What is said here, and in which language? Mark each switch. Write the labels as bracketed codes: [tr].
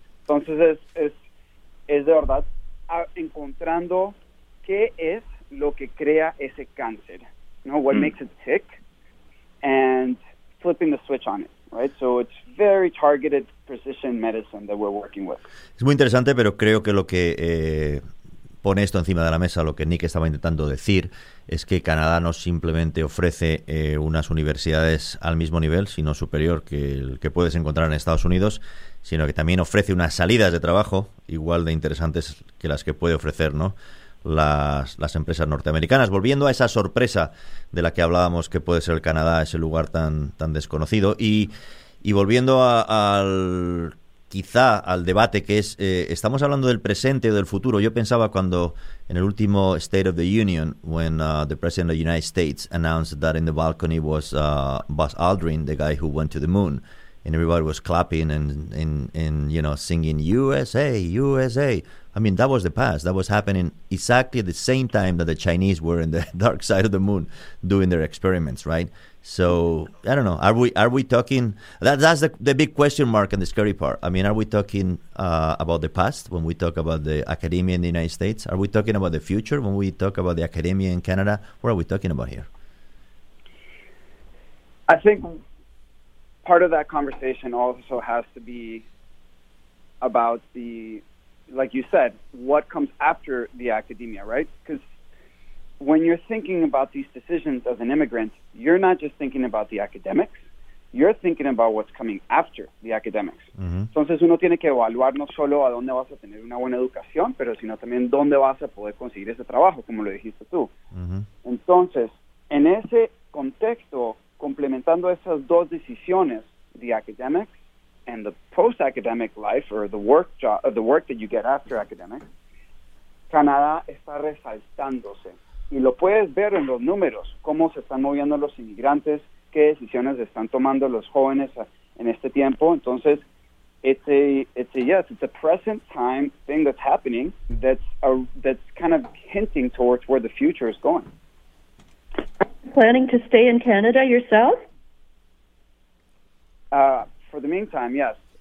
[es] Entonces, es de verdad encontrando qué es lo que crea ese cáncer, [en] you know, what makes it tick, and flipping the switch on it. Right, so it's very targeted precision medicine that we're working with. [es] Es muy interesante, pero creo que lo que pone esto encima de la mesa, lo que Nick estaba intentando decir, es que Canadá no simplemente ofrece unas universidades al mismo nivel, sino superior que el que puedes encontrar en Estados Unidos, sino que también ofrece unas salidas de trabajo igual de interesantes que las que puede ofrecer, ¿no?, las empresas norteamericanas. Volviendo a esa sorpresa de la que hablábamos, que puede ser el Canadá, ese lugar tan desconocido, y volviendo al debate que es, ¿estamos hablando del presente o del futuro? Yo pensaba cuando en el último [en] State of the Union, when the President of the United States announced that in the balcony was Buzz Aldrin, the guy who went to the moon, and everybody was clapping and you know, singing USA, USA. I mean, that was the past. That was happening exactly at the same time that the Chinese were in the dark side of the moon doing their experiments, right? So, I don't know. Are we talking... That's the big question mark and the scary part. I mean, are we talking about the past when we talk about the academia in the United States? Are we talking about the future when we talk about the academia in Canada? What are we talking about here? I think part of that conversation also has to be about the... like you said, what comes after the academia, right? Because when you're thinking about these decisions as an immigrant, you're not just thinking about the academics, you're thinking about what's coming after the academics. Mm-hmm. [es] Entonces uno tiene que evaluar no solo a dónde vas a tener una buena educación, pero sino también dónde vas a poder conseguir ese trabajo, como lo dijiste tú. Mm-hmm. Entonces, en ese contexto, complementando esas dos decisiones, [en] the academics and the post-academic life, or the work job, the work that you get after academic, [es] Canadá está resaltándose. Y lo puedes ver en los números, cómo se están moviendo los inmigrantes, qué decisiones están tomando los jóvenes en este tiempo. Entonces, [en] it's a present time thing that's happening that's kind of hinting towards where the future is going. Planning to stay in Canada yourself? For the meantime, yes.